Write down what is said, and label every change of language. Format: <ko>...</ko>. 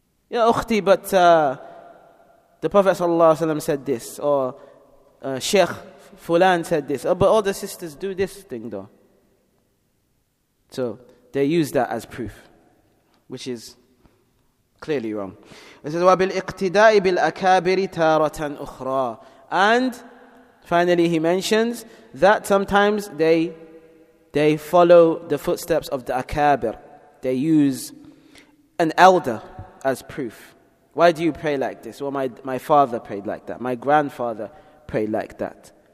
<en>Ya ukhti, but the Prophet sallallahu alaihi wasallam said this, or Sheikh Fulan said this. Oh, but all the sisters do this thing though. So they use that as proof, which is clearly wrong. It says,</en> <ar>وَبِالْإِقْتِدَاءِ بِالْأَكَابِرِ تَارَةً أُخْرَى.</ar> <en>And finally he mentions that sometimes they follow the footsteps of the akabir. They use an elder as proof. Why do you pray like this? Well, my father prayed like that. My grandfather prayed like that.</en>